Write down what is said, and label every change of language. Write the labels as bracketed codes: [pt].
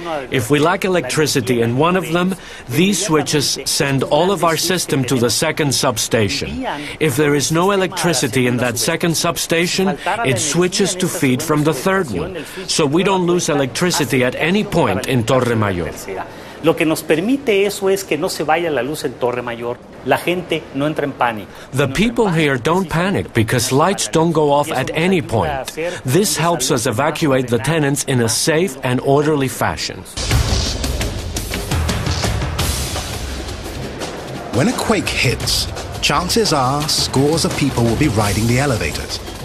[en] If we lack electricity in one of them, these switches send all of our system to the second substation. If there is no electricity in that second substation, it switches to feed from the third one. So we don't lose electricity at any point in Torre Mayor. [es] Lo que nos permite eso es que no se vaya la luz en Torre Mayor. La gente no entra en pánico. [en] The people here don't panic because lights don't go off at any point. This helps us evacuate the tenants in a safe and orderly fashion. When a quake hits, chances are scores of people will be riding the elevators.